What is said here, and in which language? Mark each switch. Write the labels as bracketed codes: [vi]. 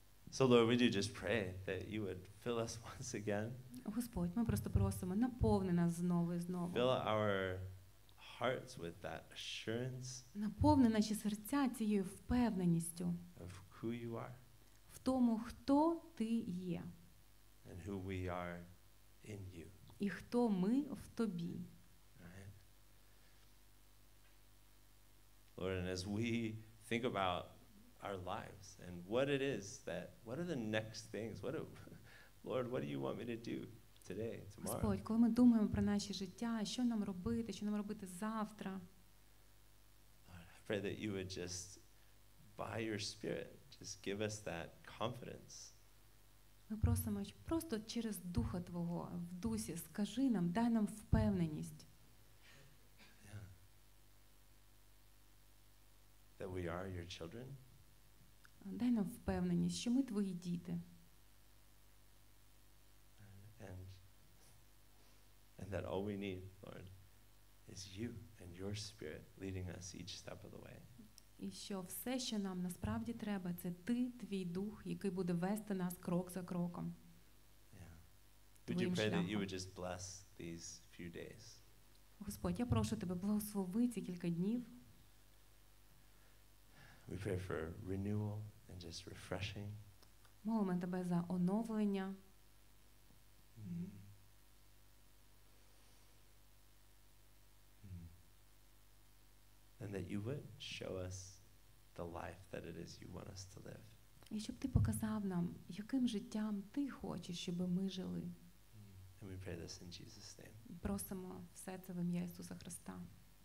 [en] So Lord, we do just pray that you would fill us once again. [uk] Господь, ми просто просимо, наповни нас знову і знову. [en] Fill our hearts with that assurance. [uk] Наповни наші серця цією впевненістю. [en] Of who you are. [uk] В тому, хто ти є. [en] And who we are in you. [uk] І хто ми в тобі. [en] Lord, and as we think about our lives and what it is that what are the next things what Lord what do you want me to do today tomorrow [uk] Господь, коли ми думаємо про наше життя, що нам робити завтра? [en] Lord, I pray that you would just by your spirit just give us that confidence. [uk] Ми просимо просто через Духа твого в дусі скажи нам, дай нам впевненість. [en] Yeah. That we are your children. [uk] Дай нам впевненість, що ми твої діти. [en] And that all we need, Lord, is you and your spirit leading us each step of the way. [uk] І що все, що нам насправді треба, це ти, твій дух, який буде вести нас крок за кроком. [en] Yeah. Would you pray that you would just bless these few days? [uk] Господь, я прошу тебе благослови ці кілька днів. [en] We pray for renewal. And just refreshing. [uk] Молимо тебе за оновлення. [en] And that you would show us the life that it is you want us to live. [uk] І щоб ти показав нам, яким життям ти хочеш, щоб ми жили. [en] And we pray this in Jesus' name. [uk] Просимо все це в ім'я Ісуса Христа.